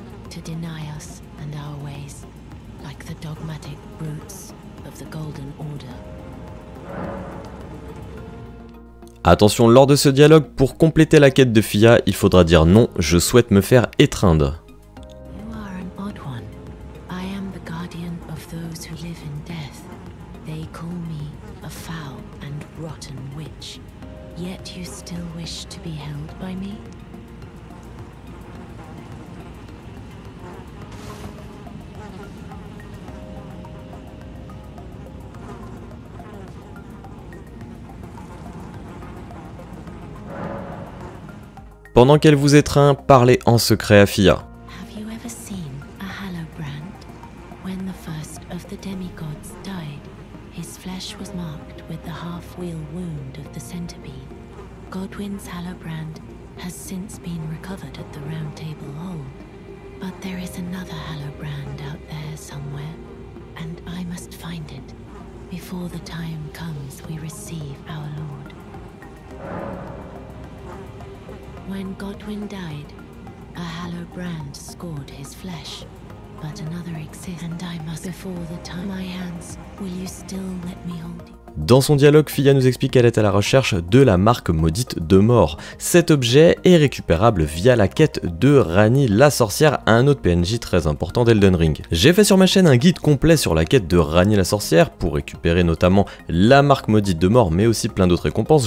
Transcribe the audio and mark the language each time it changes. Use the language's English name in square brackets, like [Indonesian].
[English] To deny us and our ways, like the dogmatic brutes of the Golden Order? [French] Attention, lors de ce dialogue, pour compléter la quête de Fia, il faudra dire non, je souhaite me faire étreindre. [English] You are an odd one. I am the guardian of those who live in death. They call me a foul and rotten witch. Yet you still wish to be held by me? [French] Pendant qu'elle vous étreint, parlez en secret à Fia. [English] Have you ever seen a Hallowbrand? When the first of the demigods died, his flesh was marked with the half-wheel wound of the centipede. Godwin's Hallowbrand has since been recovered at the Round Table Hall. But there is another Hallowbrand out there somewhere, and I must find it before the time comes we receive our Lord. When Godwin died, a hallowed brand scored his flesh, but another exists, and I must before the time my hands, will you still let me hold you? [French] Dans son dialogue, Fia nous explique qu'elle est à la recherche de la marque maudite de mort. Cet objet est récupérable via la quête de Rani la sorcière, un autre PNJ très important d'Elden Ring. J'ai fait sur ma chaîne un guide complet sur la quête de Rani la sorcière pour récupérer notamment la marque maudite de mort mais aussi plein d'autres récompenses.